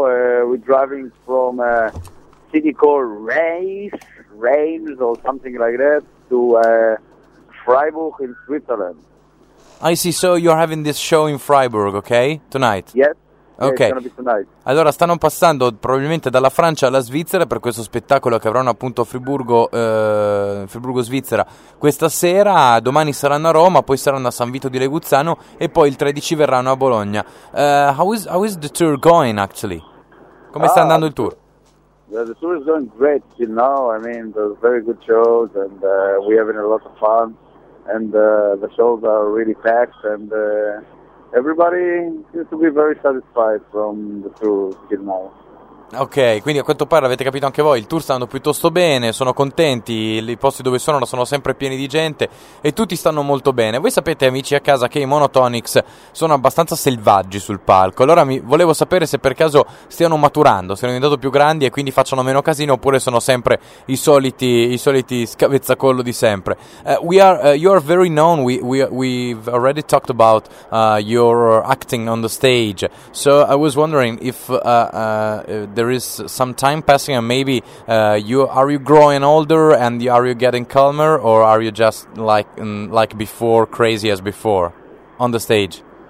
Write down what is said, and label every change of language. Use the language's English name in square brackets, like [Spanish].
[English] We're driving from a city called Reims or something like that to Freiburg in Switzerland. I see. So you're having this show in Freiburg, okay? Tonight? Yes. Okay. [Italian] Allora stanno passando probabilmente dalla Francia alla Svizzera per questo spettacolo che avranno appunto a Friburgo, Friburgo-Svizzera questa sera. Domani saranno a Roma, poi saranno a San Vito di Leguzzano e poi il 13 verranno a Bologna. [English] How is the tour going actually? [Italian] Come sta andando il tour? [English] The tour is going great, you know. I mean, there's very good shows and we're having a lot of fun and the shows are really packed and everybody seems to be very satisfied from the tour till now. [Italian] Ok, quindi a quanto pare avete capito anche voi, il tour sta andando piuttosto bene, sono contenti, i posti dove sono sempre pieni di gente e tutti stanno molto bene. Voi sapete, amici a casa, che i Monotonics sono abbastanza selvaggi sul palco, allora mi volevo sapere se per caso stiano maturando, se sono diventato più grandi e quindi facciano meno casino oppure sono sempre i soliti scavezzacollo di sempre. [English] You are very known, we've already talked about your acting on the stage, so I was wondering if there is some time passing and maybe are you growing older and are you getting calmer or are you just like before, crazy as before on the stage?